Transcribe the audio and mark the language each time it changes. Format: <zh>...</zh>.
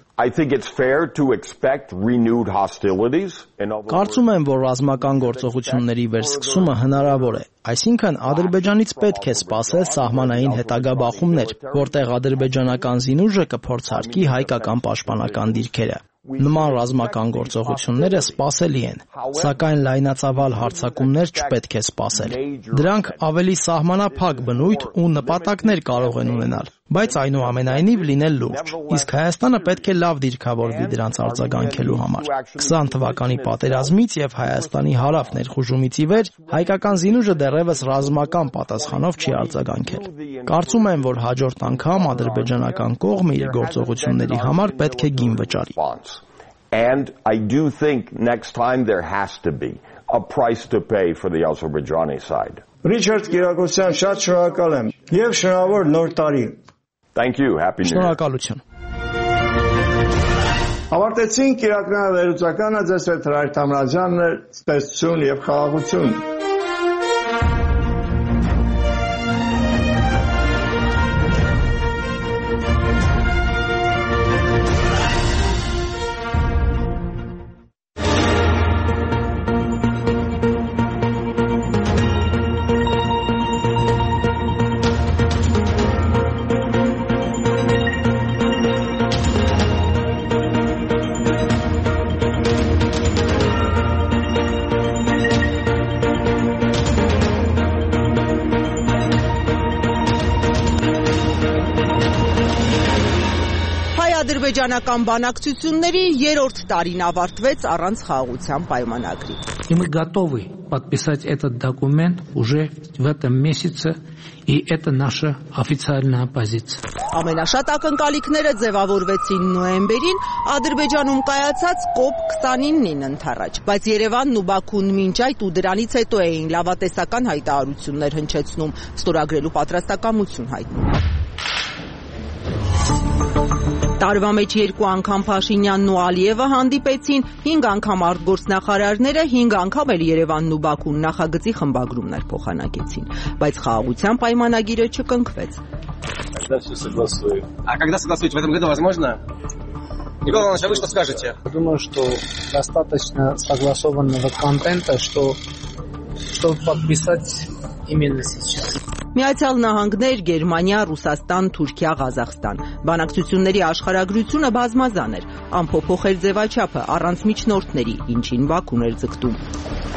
<en>I think it's fair to expect renewed hostilities.</en> <hy>Կարծում եմ, որ ռազմական գործողությունների վերսկսումը հնարավոր է։ Այսինքն, Ադրբեջանից պետք է սպասել սահմանային հետագա բախումներ, որտեղ ադրբեջանական զինուժը կփորձարկի հայկական պաշտպանական դիրքերը։ Նման ռազմական գործողությունները սպասելի են, սակայն լայնածավալ հարձակումներ չպետք է սպասել։ Դրանք ավելի սահմանափակ բնույթ ու նպատակներ կարող են ունենալ, բայց այնուամենայնիվ լինել լուրջ, իսկ Հայաստանը պետք է լավ դիրքավորվի դրանց արձագանքելու համար։ 20 թվականի պատերազմից եւ Հայաստանի հարավ ներխուժումից ի վեր հայկական զինուժը դեռևս ռազմական պատասխանով չի արձագանքել։ Կարծում եմ, որ հաջորդ անգամ ադրբեջանական կողմը իր գործողությունների համար պետք է գին վճարի։</hy> <en>And I do think next time there has to be a price to pay for the Azerbaijani side.</en> <hy>Richard Kirakosyan, շատ շնորհակալ եմ եւ շնորհավոր նոր տարի։</hy> <en>Thank you, happy new year.</en> <hy>Շնորհակալություն։ Ավարտեցինք իրականավերուցականը ձեզ հետ Հրայր Թամրազյանն է, տեսություն և խաղաղություն։ Ադրբեջանական բանակցությունների երրորդ տարին ավարտվեց առանց խաղաղության պայմանագրի։</hy> <ru>И мы готовы подписать этот документ уже в этом месяце, и это наша официальная позиция.</ru> <hy>Ամենաշատ ակնկալիքները ձևավորվեցին նոեմբերին Ադրբեջանում կայացած COP29-ին ընթառաջ, բայց Երևանն ու Բաքուն մինչ այդ ու դրանից հետո էին լավատեսական հայտարարություններ հնչեցնում, ստորագրելու պատրաստակամություն հայտնում։ Տարվա մեջ երկու անգամ Փաշինյանն ու Ալիևը հանդիպեցին, 5 անգամ արտգործնախարարները, 5 անգամ էլ Երևանն ու Բաքուն նախագծի խմբագրումներ փոխանակեցին, բայց խաղաղության պայմանագիրը չկնքվեց։</hy> <ru>А когда согласуете в этом году, возможно? Николай Иванович, а вы что скажете? Думаю, что достаточно согласованного контента, чтобы подписать именно сейчас.</ru> <hy>Միացյալ Նահանգներ, Գերմանիա, Ռուսաստան, Թուրքիա, Ղազախստան։ Բանակցությունների աշխարհագրությունը բազմազան էր, ամփոփող էր ձևաչափը առանց միջնորդների, ինչին Բաքուն էր ձգտում։</hy>